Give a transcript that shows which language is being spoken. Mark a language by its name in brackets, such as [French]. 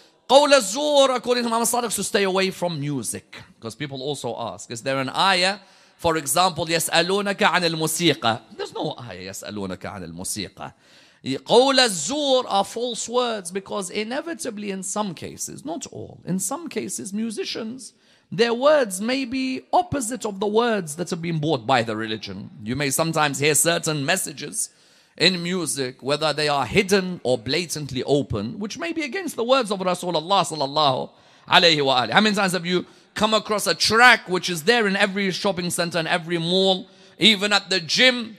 [Arabic] قَوْلَ الزُّورِ, [English] according to Imam al-Sadiq, to stay away from music. Because people also ask, is there an ayah? For example, [Arabic] يَسْأَلُونَكَ عَنِ الْمُسِيقَ. [English] There's no ayah, [Arabic] يَسْأَلُونَكَ عَنِ الْمُسِيقَ. قَوْلَ الزُّورِ [English] are false words, because inevitably in some cases, not all, in some cases musicians, their words may be opposite of the words that have been brought by the religion. You may sometimes hear certain messages in music, whether they are hidden or blatantly open, which may be against the words of Rasulullah sallallahu alayhi wa alayhi. How many times have you come across a track which is there in every shopping center and every mall, even at the gym?